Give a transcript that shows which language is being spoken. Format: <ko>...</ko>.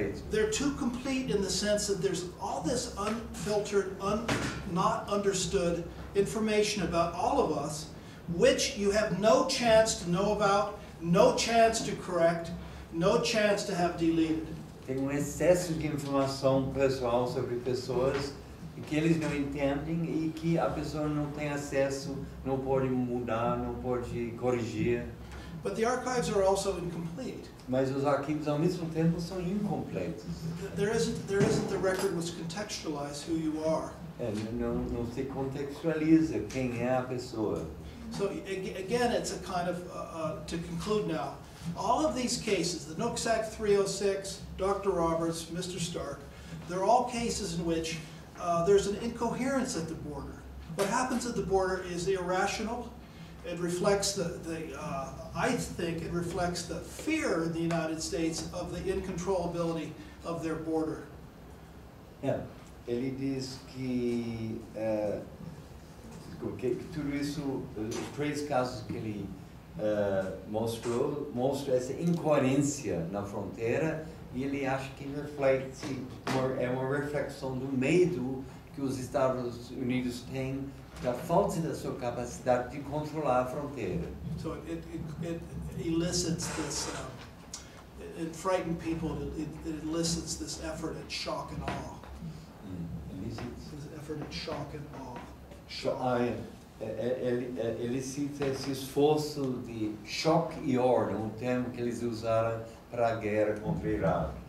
<en>They're too complete in the sense that there's all this unfiltered, not understood information about all of us, which you have no chance to know about, no chance to correct, no chance to have deleted.</en> <pt>Tem um excesso de informação pessoal sobre pessoas que eles não entendem e que a pessoa não tem acesso, não pode mudar, não pode corrigir.</pt> <en>But the archives are also incomplete.</en> <pt>Mas os arquivos ao mesmo tempo são incompletos.</pt> <en>There isn't the record which contextualizes who you are.</en> <pt>Não se contextualiza quem é a pessoa.</pt> <en>So again, it's a kind of to conclude now. All of these cases, the Nooksack 306, Dr. Roberts, Mr. Stark, they're all cases in which there's an incoherence at the border. What happens at the border is irrational. It reflects the fear in the United States of the incontrollability of their border.</en> <pt>Yeah, ele diz que tudo isso, os três casos que ele mostrou essa incoerência na fronteira, e ele acha que reflete uma reflexão do medo que os Estados Unidos têm da falta da sua capacidade de controlar a fronteira.</pt> <en>So it elicits this, it frightened people, it elicits this effort at shock and awe. This effort at shock and awe.</en> <pt>Elicita esse esforço de choque e ordem, um termo que eles usaram para a guerra contra o Iraque.</pt>